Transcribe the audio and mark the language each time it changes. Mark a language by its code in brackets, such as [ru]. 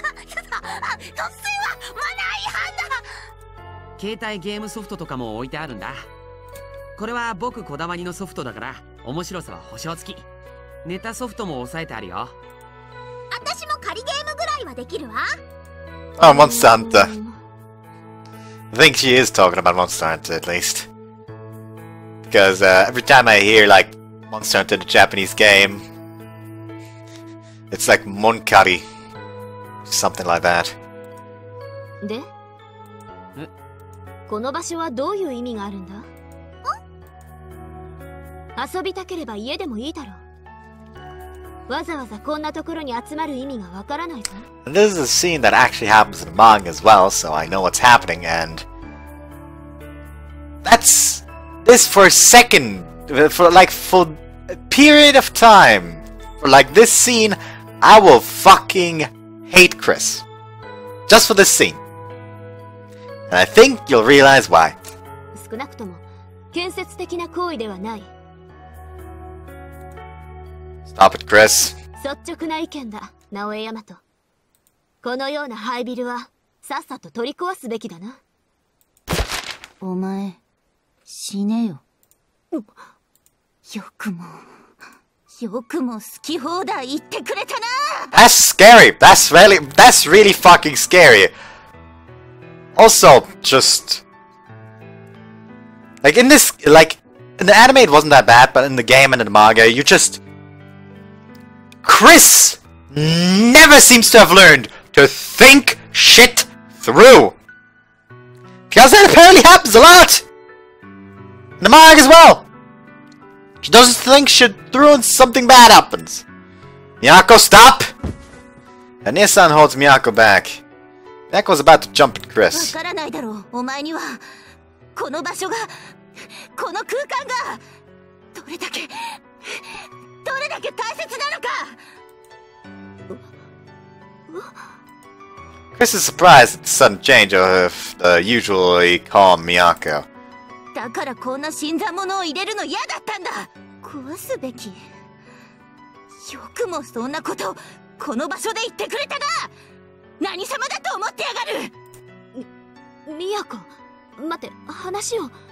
[ja] 突然はマナー違反だ。携帯ゲームソフトとかも置いてあるんだ。これは僕こだわりのソフトだから、面白さは保証付き。ネタソフトも押さえてあるよ。私も仮ゲームぐらいはできるわ。 [en] Oh, Monster Hunter. I think she is talking about Monster Hunter, at least. Because every time I hear, like, Monster Hunter, the Japanese game, it's like Monkari. Something like that. [ja] で? この場所はどういう意味があるんだ? ん? 遊びたければ家でもいいだろう。わざわざこんなところに集まる意味がわからないぞ。 [en] And this is a scene that actually happens in the manga as well, so I know what's happening, and that's this for a second, for like for a period of time, for like this scene, I will fucking hate Chris, just for this scene, and I think you'll realize why. [ja] 少なくとも建設的な行為ではない。 [en] Stop it, Chris. [ja] 率直な意見だ、直江大和。このようなハイビルはさっさと取り壊すべきだな。お前死ねよ。よくもよくも好き放題言ってくれたな。 [en] That's scary. That's really fucking scary. Also, just like in this, like in the anime, it wasn't that bad, but in the game and in the manga, you just Chris never seems to have learned. To think shit through. Because that apparently happens a lot! In the mag as well! She doesn't think shit through and something bad happens. Miyako, stop! And Nissan holds Miyako back. Miyako's about to jump at Chris. [ja] わからないだろう、お前には。この場所が、この空間が、どれだけ、どれだけ大切なのか! [en] Chris is surprised at the sudden change of the usually calm Miyako. [ja] だからこんな新参者を入れるの嫌だったんだ。壊すべき。よくもそんなことこの場所で言ってくれたな。何様だと思ってやがる。 Miyako、待て、話を。